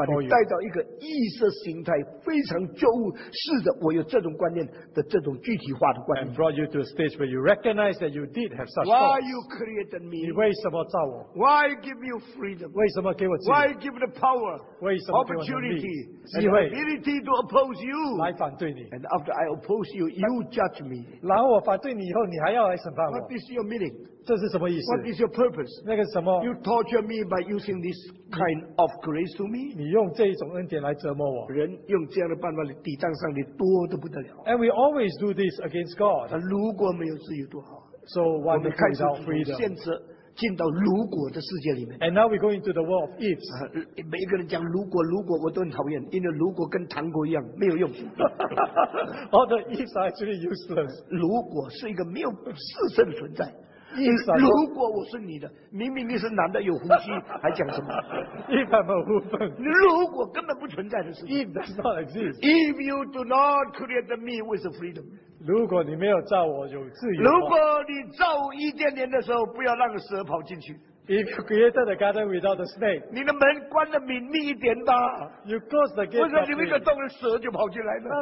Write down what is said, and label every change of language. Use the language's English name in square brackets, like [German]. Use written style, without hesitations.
[Chinese] 把你带到一个意识形态非常觉悟，是的，我有这种观念的这种具体化的观念。 [English] And brought you to a stage where you recognize that you did have such thoughts. Why you created me? [Chinese] 你为什么造我？ [English] Why give you freedom? [Chinese] 为什么给我自由？ [English] Why give the power? [Chinese] 为什么给我能力？ [English] Opportunity, [Chinese] 机会， [English] and ability to oppose you. [Chinese] 来反对你。 [English] And after I oppose you, you judge me. [Chinese] 然后我反对你以后，你还要来审判我。 [English] What is your meaning? [Chinese] 这是什么意思？ [English] What is your purpose? [Chinese] 那个是什么？ [English] You torture me by using this kind of grace to me. [Chinese] 你用这一种恩典来折磨我。人用这样的办法来抵挡上帝，多得不得了。 [English] And we always do this against God. [Chinese] 如果没有自由多好。 [English] So why we can't have freedom? [Chinese] 进到如果的世界里面。 [English] And now we go into the world of ifs. [Chinese] 每一个人讲如果，我都很讨厌， 因为如果跟糖果一样，没有用。 [English] All the ifs are actually useless. [Chinese] 如果是一个没有事实的存在。如果我是你的，明明你是男的有胡须，还讲什么？ [English] If I'm a woman, [Chinese] 如果根本不存在的事情。 [English] If does not exist. If you do not create me with freedom. [Chinese] 如果你没有造我有自由。如果你造伊甸园的时候，不要让蛇跑进去。 [English] If you created the garden without the snake, [Chinese] 你的门关得紧密一点吧。 [English] You close the gate. [Chinese] 为什么你没有动，蛇就跑进来了？